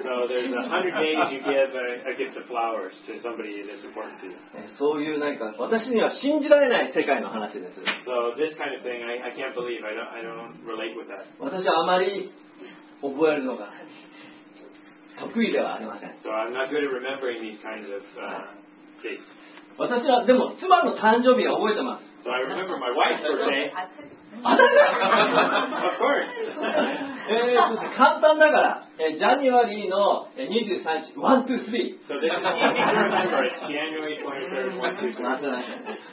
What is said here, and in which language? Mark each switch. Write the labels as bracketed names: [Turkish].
[English] So there's 100 days you give a gift of flowers to somebody that's important to you. [Japanese] そういう何か私には信じられない世界の話です。 [English] So this kind of thing I can't believe. I don't relate with that. [Japanese] 私はあまり覚えるのが得意ではありません。 [English] So I'm not good at remembering these kinds of dates. [Japanese] 私はでも妻の誕生日は覚えてます。 [English] So I remember my wife's birthday. of course. [Japanese] 簡単だから、January の23日、1、2、3。 [English] So this is easy to remember. It's January 23rd, 1, 2, 3.